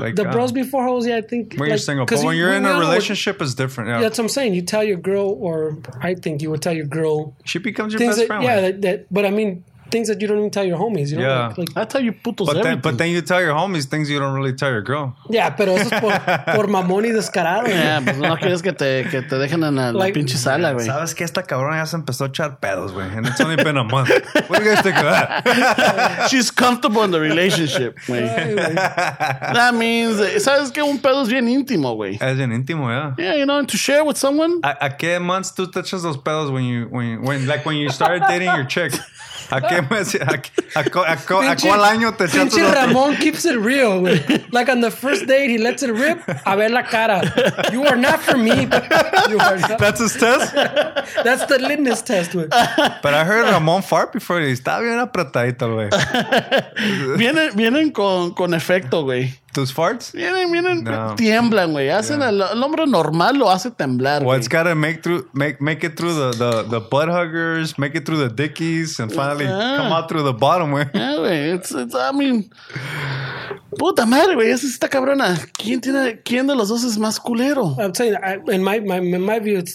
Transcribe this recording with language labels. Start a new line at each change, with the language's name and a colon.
English: Like, the bros before hoes, yeah, I think. When you're single. But when you're in a relationship, it's different. Yeah. That's what I'm saying. You tell your girl, or I think you would tell your girl. She becomes your best friend. Yeah, that, but I mean, things that you don't even tell your homies. You know? Yeah. Like, I tell you putos but everything. But then you tell your homies things you don't really tell your girl.
Spanish: Yeah, pero eso es por mamón y descarado. Yeah, pues no quieres que te dejen en la pinche sala, güey. Sabes que esta cabrona ya se empezó a echar pedos, güey.
English: And it's only been a month. What do you guys think of that? She's comfortable in the relationship, güey. That means,
Spanish: sabes que un pedo es bien íntimo, güey. Es bien íntimo,
English: yeah. Yeah, you know, and to share with someone.
Spanish: ¿A qué months tú te echas los pedos
English: when you started dating your chick?
Spanish: ¿A cuál año te echaste?
English: Pinche Ramón keeps it real, güey. Like on the first date, he lets it rip.
Spanish: A ver la cara.
English: You are not for me. That's his test? That's the litmus test, güey. But I heard Ramón fart before.
Spanish: Está bien apretadito, güey. Vienen con efecto, güey. ¿Tus farts? Vienen, no. Tiemblan, güey. Hacen el hombre normal lo hace temblar, güey.
English: Well, it's gotta make it through the butt huggers, make it through the dickies, and finally come out through the bottom, güey.
Spanish: Yeah, güey.
English: It's, I mean...
Spanish: Puta madre, güey. Esa es esta cabrona. ¿Quién de los dos es más culero?
English: I'm telling you, in my view, it's